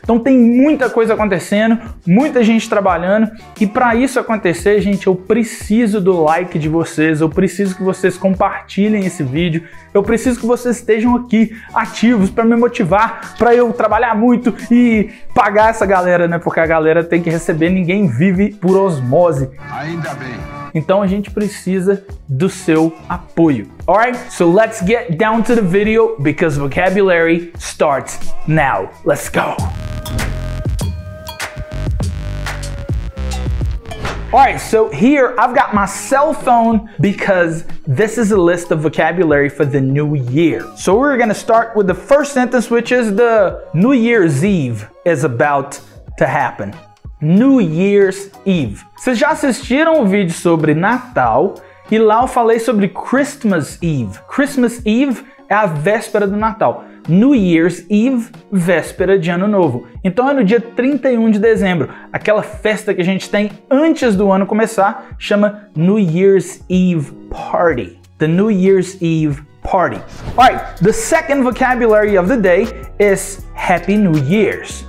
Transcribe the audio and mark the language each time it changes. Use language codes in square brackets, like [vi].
[pt] Então, tem muita coisa acontecendo, muita gente trabalhando, e para isso acontecer, gente, eu preciso do like de vocês, eu preciso que vocês compartilhem esse vídeo, eu preciso que vocês estejam aqui ativos para me motivar, para eu trabalhar muito e pagar essa galera, né? Porque a galera tem que receber, ninguém vive por osmose. Ainda bem. Então a gente precisa do seu apoio. [en] Alright, so let's get down to the video because vocabulary starts now. Let's go. All right, so here I've got my cell phone because this is a list of vocabulary for the new year. So we're gonna start with the first sentence, which is the New Year's Eve is about to happen. New Year's Eve. [pt] Vocês já assistiram o vídeo sobre Natal e lá eu falei sobre Christmas Eve. Christmas Eve é a véspera do Natal. New Year's Eve, véspera de Ano Novo. Então é no dia 31 de dezembro. Aquela festa que a gente tem antes do ano começar chama New Year's Eve Party. [en] The New Year's Eve Party. Alright, the second vocabulary of the day is Happy New Year's.